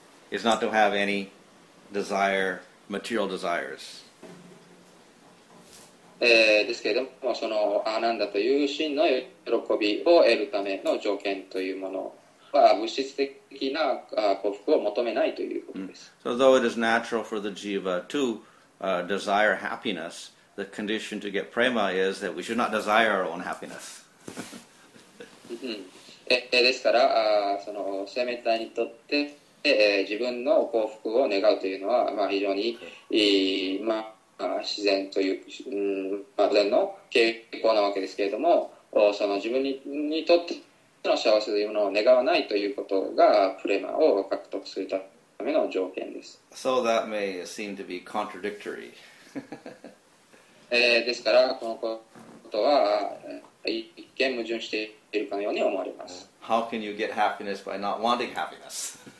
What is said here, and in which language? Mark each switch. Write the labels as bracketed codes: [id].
[en] Is not to have any desire, material desires. [ja] ですけれども、そのアナンダという真の喜びを得るための条件というものは、物質的な幸福を求めないということです。 [en] So though it is natural for the jiva to desire happiness, the condition to get prema is that we should not desire our own happiness. [ja] ですから、その生命体にとって自分の幸福を願うというのは、まあ、非常に、まあ、自然という、まあ、自然の傾向なわけですけれども、その自分 にとっての幸せというものを願わないということがプレマを獲得するための条件です。 [en] So that may seem to be contradictory. [ja] ですからこのことは一見矛盾しているかのように思われます。 [en] How can you get happiness by not wanting happiness?